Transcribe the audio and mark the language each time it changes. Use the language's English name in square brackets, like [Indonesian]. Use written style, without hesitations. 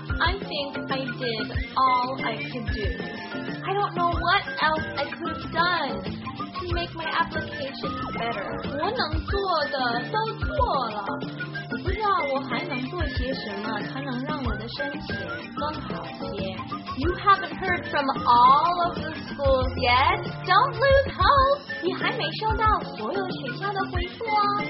[English] I think I did all I could do. I don't know what else I could have done. To make my application better. [Chinese] 我能做的都做了，我不知道我还能做些什么才能让我的申请更好些。 [English] You haven't heard from all of the schools yet. Don't lose hope. [Chinese] 你还没收到所有学校的回复哦。